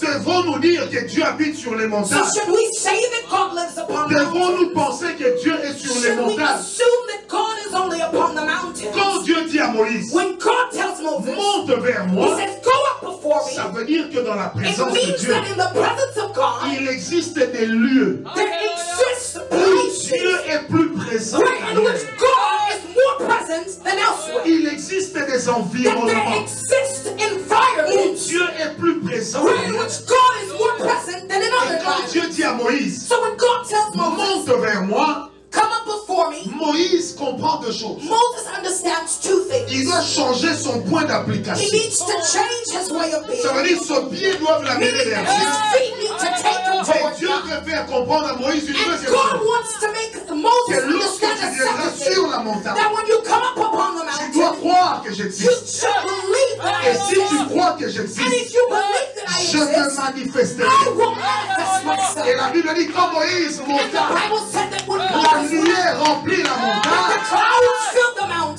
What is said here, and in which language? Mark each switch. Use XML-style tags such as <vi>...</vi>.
<fr>Devons-nous dire que Dieu habite sur les montagnes?</fr> <en>So should we say that God lives upon the mountains?</en> <fr>Devons-nous penser que Dieu est sur</fr> <en>should</en> <fr>les montagnes?</fr> <en>We assume that God is only upon the mountains?</en> <fr>Quand Dieu dit à Moïse,</fr> <en>when God tells Moses,</en> <fr>monte vers moi,</fr> <en>he says, go up before me.</en> <fr>Ça veut dire que dans la présence de Dieu,</fr> <en>that in the presence of God,</en> <fr>il existe des lieux où Dieu est plus présent.</fr> <en>Where in which God is more present than elsewhere.</en> <fr>Il existe des environnements. Où Dieu est plus présent.</fr> <en>Where in which God is more present than in other times.</en> <fr>Dieu dit à Moïse,</fr> <en>so when God tells Moses,</en> <fr>monte vers moi,</fr> <en>come up before me.</en> <fr>Moïse comprend deux choses.</fr> <en>Moses understands two things.</en> <fr>Il doit changer son point d'application.</fr> <en>He needs to change his way of being.</en> <fr>Ça veut dire son pied doit l'amener vers Dieu.</fr> <en>His feet need to take him towards God.</en> <fr>Dieu veut faire comprendre à Moïse une deuxième chose.</fr> <en>God wants to make Moses understand a second thing.</en> <fr>Sur la montagne,</fr> <en>that when you come up upon the mountain,</en> <fr>tu dois croire que j'existe.</fr> <en>You should believe that I exist.</en> <fr>Et si tu crois que j'existe,</fr> <en>and if you believe that I exist,</en> <fr>je te manifesterai.</fr> <en>I will manifest myself.</en> <fr>Et la Bible dit quand Moïse monta,</fr> <en>the Bible said that when God</en> <fr>la nuée remplit la montagne.</fr>